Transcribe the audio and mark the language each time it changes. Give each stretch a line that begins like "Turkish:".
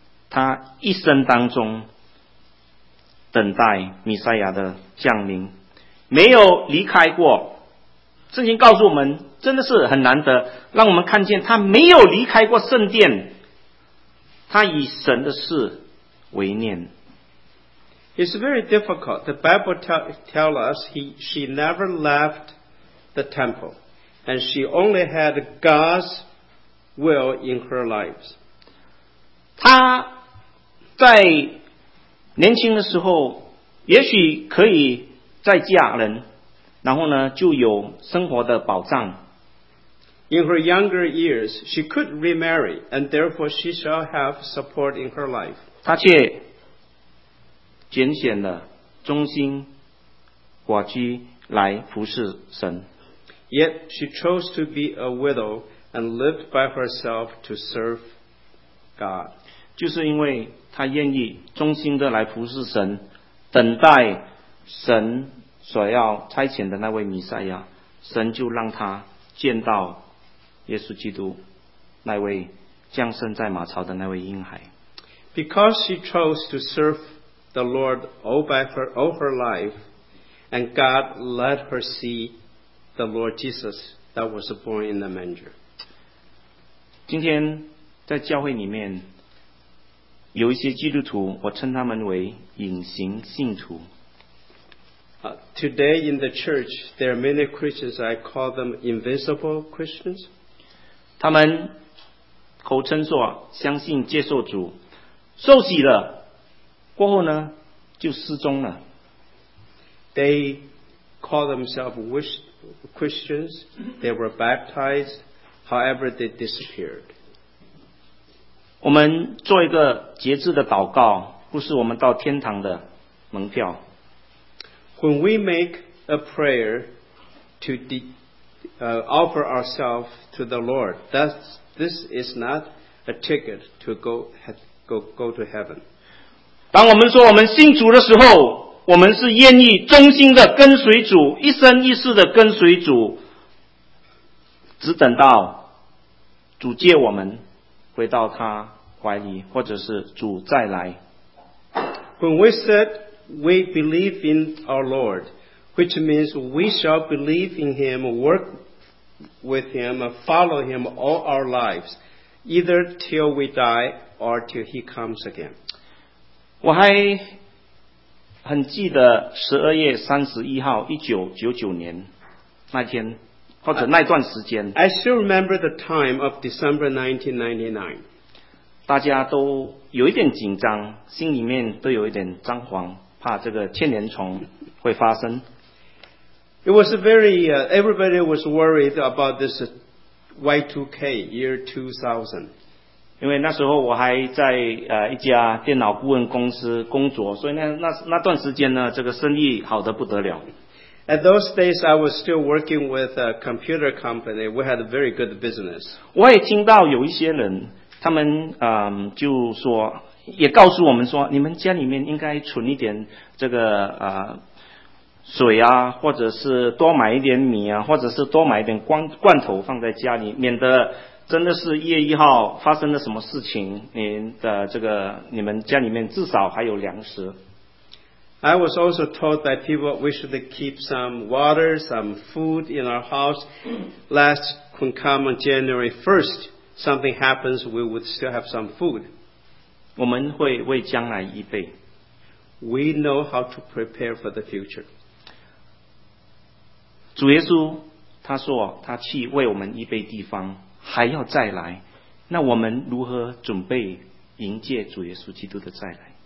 Chinese: 她一生当中等待弥赛亚的降临，没有离开过。圣经告诉我们，真的是很难得，让我们看见她没有离开过圣殿，她以神的事为念。
English: It's very difficult. The Bible tells us she never left the temple. And she only had God's will in her life.
Chinese: 她在年轻的时候，也许可以再嫁人，然后呢，就有生活的保障。
English: In her younger years, she could remarry, and therefore she shall have support in her life.
Chinese: 她却拣选了忠心寡居来服侍神。
English: Yet she chose to be a widow and lived by herself to serve God.
Chinese: 就是因为她愿意忠心的来服侍神，等待神所要差遣的那位弥赛亚，神就让她见到耶稣基督那位降生在马槽的那位婴孩。
English: Because she chose to serve the Lord all her life, and God let her see the Lord Jesus that was born in the manger.
Chinese: 今天在教会里面有一些基督徒，我称他们为隐形信徒。
English: Today in the church, there are many Christians. I call them invisible Christians.
Chinese: 他们口称说相信接受主，受洗了过后呢，就失踪了。
English: They call themselves Christians. They were baptized, however, they disappeared.
Chinese: 我们做一个节制的祷告，不是我们到天堂的门票。
English: When we make a prayer to offer ourselves to the Lord, this is not a ticket to go to heaven.
Chinese: 当我们说我们信主的时候，我们是愿意忠心的跟随主，一生一世的跟随主，只等到主接我们回到他怀里，或者是主再来。
English: When we said we believe in our Lord, which means we shall believe in Him, work with Him, follow Him all our lives, either till we die or till He comes again.
Chinese: 我还很记得12月31号1999年那天，或者那段时间。
English: I still remember the time of December 1999.
Chinese: 大家都有一点紧张，心里面都有一点张惶，怕这个千年虫会发生。
English: It was everybody was worried about this Y2K year 2000.
Chinese: 因为那时候我还在一家电脑顾问公司工作，所以那段时间呢，这个生意好得不得了。
English: At those days, I was still working with a computer company. We had a very good business.
Chinese: 我也听到有一些人他们就说，也告诉我们说，你们家里面应该存一点这个水啊，或者是多买一点米啊，或者是多买一点罐头放在家里，免得真的是1月1号发生了什么事情，您的这个你们家里面至少还有粮食。
English: I was also told by people we should keep some water, some food in our house. Last when come on January 1st. Something happens, we would still have some food.
Chinese: 我们会为将来预备。
English: We know how to prepare for the future.
Chinese: 主耶稣他说他去为我们预备地方，还要再来。那我们如何准备迎接主耶稣基督的再来？